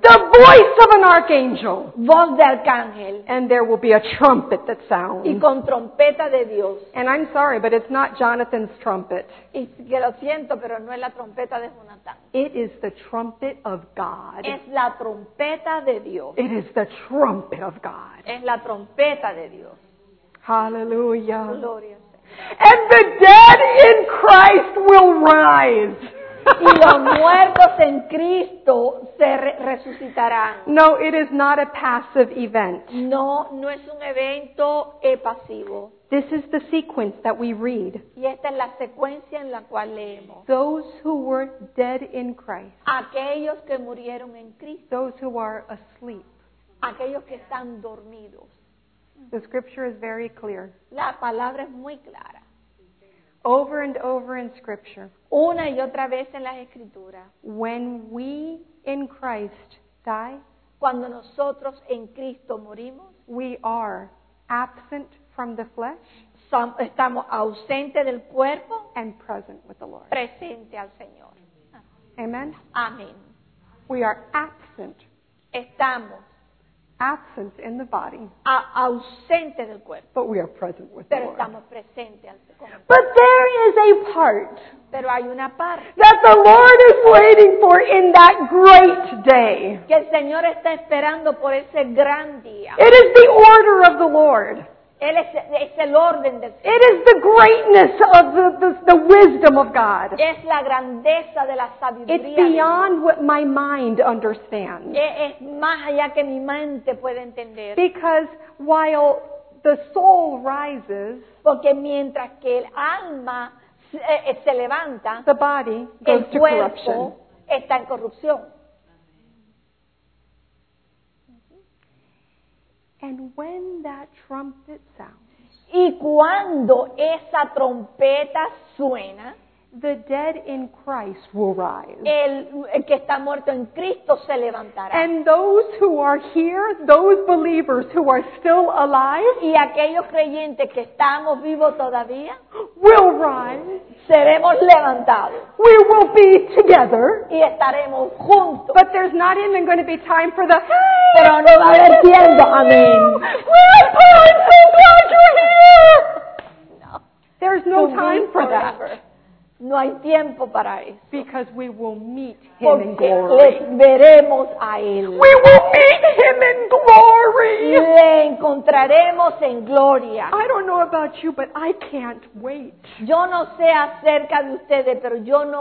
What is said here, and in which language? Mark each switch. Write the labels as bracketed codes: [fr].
[en] The voice of an archangel. [es] Voz de arcángel. [en] And there will be a trumpet that sounds. [es] Y con trompeta de Dios. [en] And I'm sorry, but it's not Jonathan's trumpet. [es] Y que lo siento, pero no es la trompeta de Jonathan. [en] It is the trumpet of God. [es] Es la trompeta de Dios. [en] It is the trumpet of God. [es] Es la trompeta de Dios. [en] Hallelujah. [es] Gloria. [en] And the dead in Christ will rise. [es] Y los muertos en Cristo se resucitarán. [en] No, it is not a passive event. [es] No, no es un evento pasivo. [en] This is the sequence that we read. [es] Y esta es la secuencia en la cual leemos. [en] Those who were dead in Christ. [es] Aquellos que murieron en Cristo. [en] Those who are asleep. [es] Aquellos que están dormidos. [en] The scripture is very clear. [es] La palabra es muy clara. [en] Over and over in scripture. [es] Una y otra vez en las escrituras. [en] When we in Christ die, [es] cuando nosotros en Cristo morimos, [en] we are absent from the flesh. [es] Estamos ausente del cuerpo. [en] And present with the Lord. [es] Presente al Señor. [en] Amen. [es] Amén. [en] We are absent. [es] Estamos. [en] Absent in the body. [es] Ausente del cuerpo. [en] But we are present with [es] pero [en] the Lord. [es] Estamos presente al Señor. [en] But there is a part. [es] Pero hay una parte. [en] That the Lord is waiting for in that great day. [es] Que el Señor está esperando por ese gran día. [en] It is the order of the Lord. [es] Él es el orden del [en] Señor. It is the greatness of the wisdom of God. [es] Es la grandeza de la sabiduría. [en] It's beyond what my mind understands. [es] Es más allá que mi mente puede entender. [en] Because while the soul rises, [es] porque mientras que el alma se levanta, [en] the body goes to corruption. [es] Está en corrupción. [en] And when that trumpet sounds, [es] y cuando esa trompeta suena, [en] the dead in Christ will rise. [es] El que está muerto en Cristo se levantará. [en] And those who are here, those believers who are still alive, [es] y aquellos creyentes que estamos vivos todavía, [en] will rise. [es] Seremos levantados. [en] We will be together. [es] Y estaremos juntos. [en] But there's not even going to be time for the hey, [es] pero no va a haber tiempo. Amén. [en] Oh, I'm so glad you're here. There's no time for that. [es] No hay tiempo para eso. [en] Because we will meet him [es] porque [en] in glory. [es] Le veremos a él. [en] We will meet him in glory. [es] Le encontraremos en gloria. [en] I don't know about you, but I can't wait. [es] Yo no sé acerca de ustedes, pero yo no